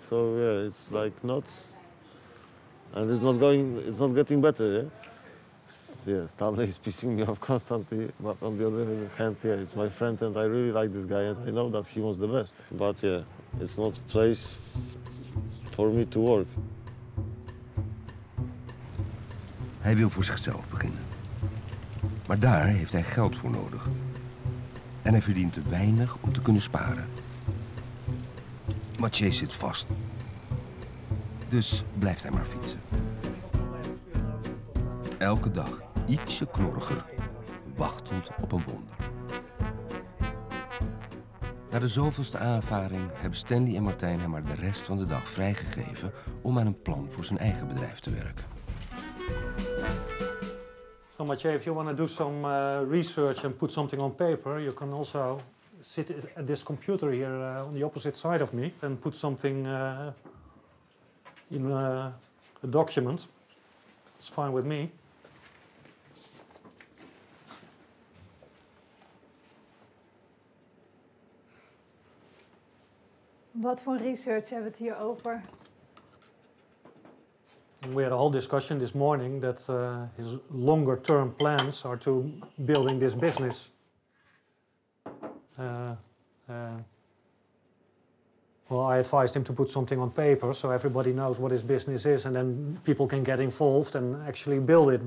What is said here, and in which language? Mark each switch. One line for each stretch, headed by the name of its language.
English: So yeah, it's like nuts, and it's not going. It's not getting better. Yeah. Yeah, Stanley is pissing me off constantly. But on the other hand, yeah, it's my friend, and I really like this guy, and I know that he wants the best. But yeah, it's not a place for me to work.
Dutch: Hij wil voor zichzelf beginnen, maar daar heeft hij geld voor nodig. En hij verdient te weinig om te kunnen sparen. Mathieu zit vast. Dus blijft hij maar fietsen. Elke dag ietsje knorriger, wachtend op een wonder. Na de zoveelste aanvaring hebben Stanley en Martijn hem maar de rest van de dag vrijgegeven om aan een plan voor zijn eigen bedrijf te werken.
English: So Mathieu, if you want to do some research and put something on paper, you can also sit at this computer here on the opposite side of me and put something in a document. It's fine with me.
Dutch: Wat voor research hebben we het hier over?
English: We had a whole discussion this morning that his longer term plans are to building this business. Well, I advised him to put something on paper so everybody knows what his business is, and then people can get involved and actually build it.